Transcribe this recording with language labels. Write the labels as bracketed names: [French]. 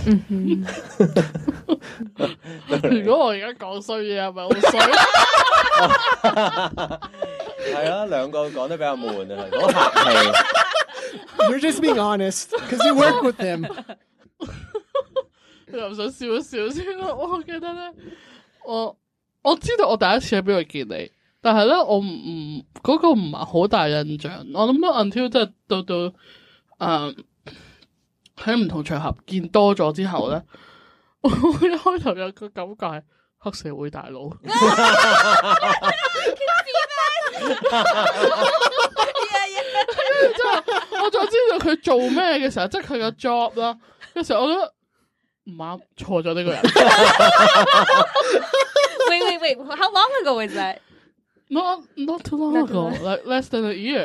[English] If I just say bad things, am I bad? [Cantonese] 系啊，两个讲得比较闷啊，好客气。 [English] You're just being honest, because you work with them. [Cantonese] 我又想笑一笑先啦。我记得咧，我知道我第一次喺边度见你，但系咧，我唔嗰、那个唔系好大印象。我谂到 until 即系到喺唔同场合见多咗之后咧，我一开头有个感觉系黑社会大佬。 [English] yeah, yeah. [Cantonese] 我就知道他做什么的时候，即是他的 job 啦。那时候我觉得不啱，错了这个人。 [English] wait, wait, wait, how long ago was that? Not too long ago, like less than a year.